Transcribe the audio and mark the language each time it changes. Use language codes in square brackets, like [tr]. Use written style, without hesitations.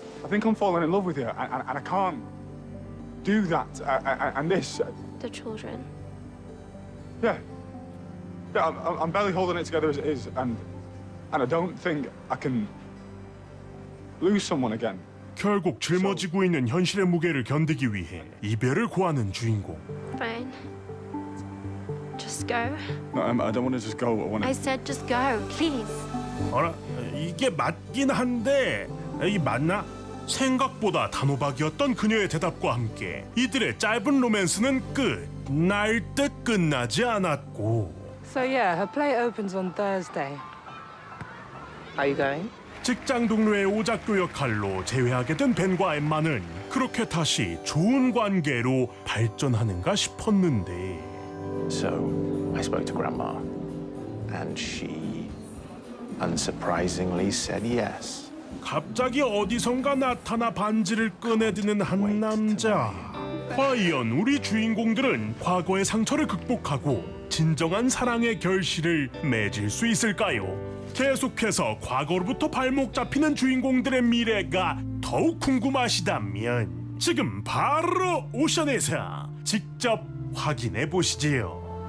[en] I think I'm falling in love with you, and I can't do that, and this. The children. Yeah. Yeah, I'm barely holding it together as it is, and I don't think I can lose someone again. [ko] 결국 짊어지고 있는 현실의 무게를 견디기 위해 이별을 고하는 주인공. [en] Fine. Just go. No, I don't want to just go. I want to. I said just go, please. [ko] 어라, 이게 맞긴 한데, 이게 맞나? 생각보다 단호박이었던 그녀의 대답과 함께 이들의 짧은 로맨스는 끝날 듯 끝나지 않았고. [en] So yeah, her play opens on Thursday. Are you going? [ko] 직장 동료의 오작교 역할로 재회하게 된 벤과 엠마는 그렇게 다시 좋은 관계로 발전하는가 싶었는데. [en] So I spoke to Grandma, and she unsurprisingly said yes. [ko] 갑자기 어디선가 나타나 반지를 꺼내드는 한 남자. 과연 우리 주인공들은 과거의 상처를 극복하고 진정한 사랑의 결실을 맺을 수 있을까요? 계속해서 과거로부터 발목 잡히는 주인공들의 미래가 더욱 궁금하시다면 지금 바로 오션에서 직접 확인해 보시지요.